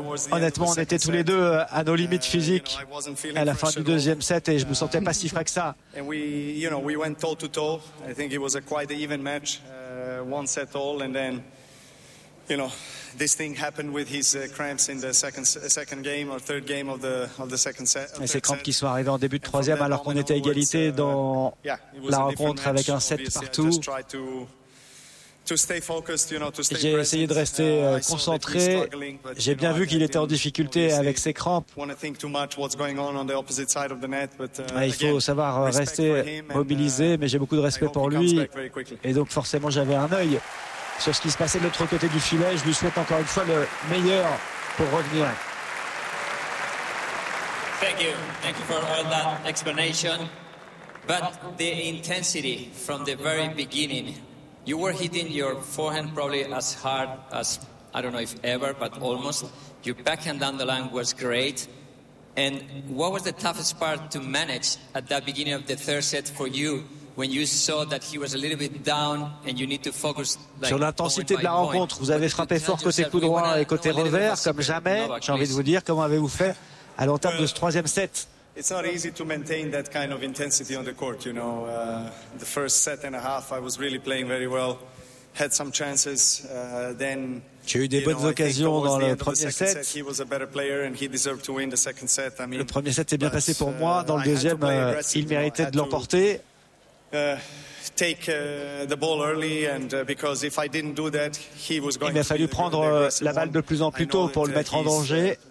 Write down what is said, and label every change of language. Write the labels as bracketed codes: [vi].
[fr] Honnêtement, on était tous les deux à nos limites physiques à la fin du deuxième set et je me sentais pas si frais que ça. [en] And we, you know, we went toe to toe. I think it was a quite even match, one set all, and then, you know, this thing happened with his cramps in the second game or third game of the second set. [fr] Et ces crampes qui sont arrivées en début de troisième alors qu'on était à égalité dans la rencontre avec un set partout. J'ai essayé de rester concentré. J'ai bien vu qu'il était en difficulté avec ses crampes. Il faut savoir rester mobilisé, mais j'ai beaucoup de respect pour lui. Et donc forcément, j'avais un œil sur ce qui se passait de l'autre côté du filet. Je lui souhaite encore une fois le meilleur pour revenir. [en] Thank you for all that explanation. But the intensity from the very beginning. You were hitting your forehand probably as hard as, I don't know if ever, but almost. Your backhand down the line was great. And what was the toughest part to manage at that beginning of the third set for you when you saw that he was a little bit down and you need to focus? [fr] Like, sur l'intensité de la rencontre, vous avez frappé fort côté coup droit et côté revers, comme jamais. J'ai envie de vous dire, comment avez-vous fait à l'entame de ce troisième set? [en] It's not easy to maintain that kind of intensity on the court, you know. The first set and a half, I was really playing very well. Had some chances. Then, [fr] j'ai eu des bonnes occasions dans le premier set. [en] He was a better player and he deserved to win the second set. I mean, [fr] le premier set s'est bien passé pour moi. Dans le deuxième, il méritait de l'emporter. [en] Take the ball early and because if I didn't do that, he was going to [fr] be. Il m'a fallu prendre la balle de plus en plus tôt pour le mettre en danger.